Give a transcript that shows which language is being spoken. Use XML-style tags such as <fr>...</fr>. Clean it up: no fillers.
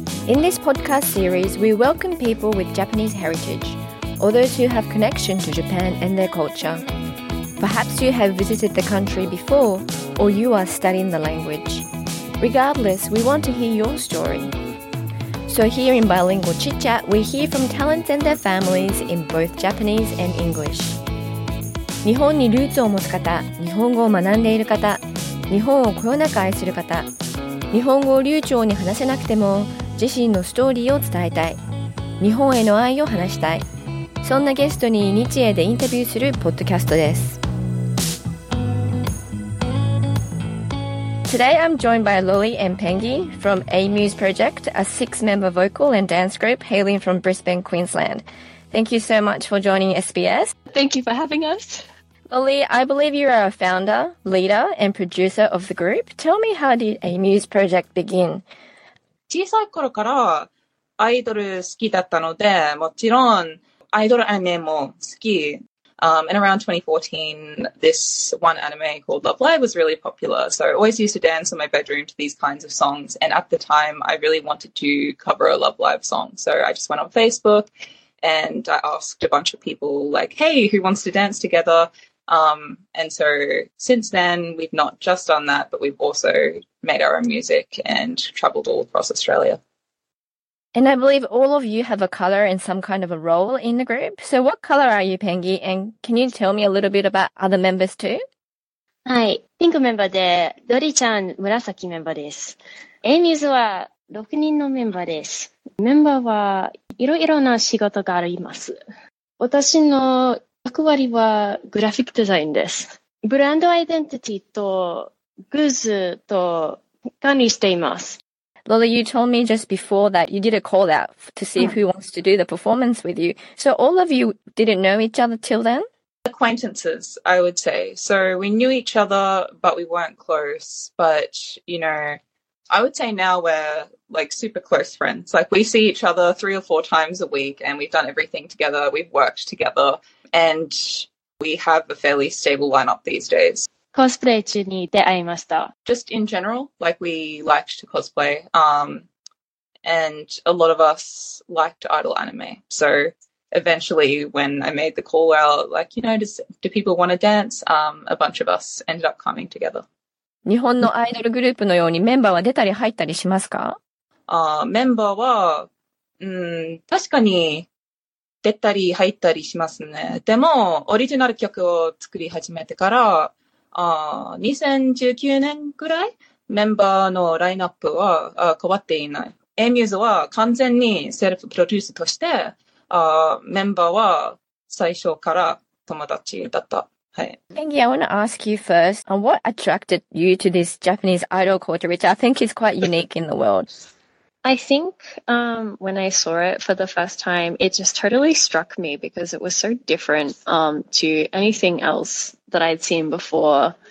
<en>In this podcast series, we welcome people with Japanese heritage, or those who have connection to Japan and their culture. Perhaps you have visited the country before, or you are studying the language. Regardless, we want to hear your story. So here in Bilingual Chit Chat, we hear from talents and their families in both Japanese and English.</en> <ja>日本にルーツを持つ方、日本語を学んでいる方、日本をこよなく愛する方、日本語を流暢に話せなくても自身のストーリーを伝えたい、日本への愛を話したい、そんなゲストに日英でインタビューするポッドキャストです。</ja> <en>Today I'm joined by Loli and Pengi from A-Muse Project, a six-member vocal and dance group hailing from Brisbane, Queensland. Thank you so much for joining SBS. Thank you for having us. Loli, I believe you are a founder, leader, and producer of the group. Tell me, how did a Muse project begin?</en> <ja>小さい頃からアイドル好きだったので、もちろんアイドルアニメも好き。</ja> <en>And around 2014, this one anime called Love Live was really popular. So I always used to dance in my bedroom to these kinds of songs. And at the time, I really wanted to cover a Love Live song. So I just went on Facebook and I asked a bunch of people like, hey, who wants to dance together? And so since then, we've not just done that, but we've also made our own music and traveled all across Australia. And I believe all of you have a color and some kind of a role in the group. So what color are you, Pengi? And can you tell me a little bit about other members too? Hi, pink member</en> <ja>で、ロリちゃん、紫メンバーです。 A-Muse は6人のメンバーです。メンバーはいろいろな仕事があります。私の役割はグラフィックデザインです。ブランドアイデンティティとグッズと管理しています。</ja> <en>Loli, you told me just before that you did a call out to see who wants to do the performance with you. So all of you didn't know each other till then? Acquaintances, I would say. So we knew each other, but we weren't close. But, you know, I would say now we're like super close friends. Like we see each other three or four times a week and we've done everything together. We've worked together. And we have a fairly stable lineup these days.</en> <ja>Cosplay 中に出会いました。</ja> <en>Just in general, like we liked to cosplay. And a lot of us liked idol anime. So eventually when I made the call out, like, you know, do people want to dance? A bunch of us ended up coming together.</en> <ja>日本のアイドルグループのようにメンバーは出たり入ったりしますか？メンバーは、確かに、出たり入ったりしますね。でも、オリジナル曲を作り始めてから、2019年ぐらい、メンバーのラインナップは変わっていない。 A-Muse は完全にセルフプロデュースとして、メンバーは最初から友達だった。</ja> <en>Hey. Pengi, I want to ask you first, what attracted you to this Japanese idol culture, which I think is quite unique in the world? I think when I saw it for the first time, it just totally struck me because it was so different to anything else that I'd seen before.</en>